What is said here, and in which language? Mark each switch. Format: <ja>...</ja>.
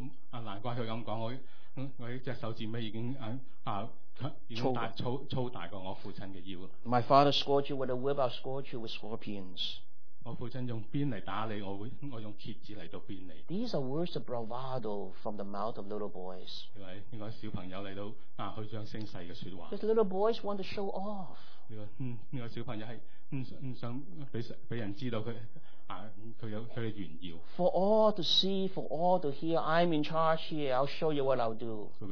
<zh>难怪他这样说，我的手指已经粗大过我父亲的腰。</zh> <en>My father scored you with a whip, I scored you with scorpions.</en> <zh>我父亲用鞭来打你，我用蝎子来鞭你。</zh> <en>These are words of bravado from the mouth of little boys.</en> <zh>这个小朋友来到虚张声势的说话。</zh> <en>Because little boys want to show off.</en> <zh>这个小朋友是不想被人知道他。</zh> <en>For all to see, for all to hear, I'm in charge here, I'll show you what I'll do.</en>